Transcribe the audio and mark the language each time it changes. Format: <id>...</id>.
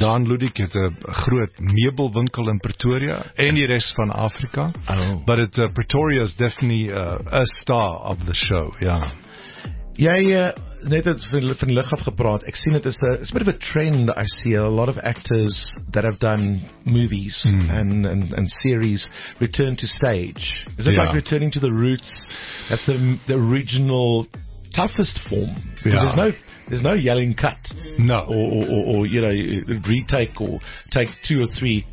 <af>Dan Ludik het 'n groot meubelwinkel in Pretoria en die res van Afrika. Oh.</af> <en>But it, Pretoria is definitely a star of the show, ja.</en> <af>Jy net het van lig af gepraat. Ek sien het is</af> <en>a, it's a bit of a trend. I see a lot of actors that have done movies and series return to stage. Is it like returning to the roots? That's the original toughest form. Yeah. There's no yelling cut. No. Or you know, retake or take two or three.</en>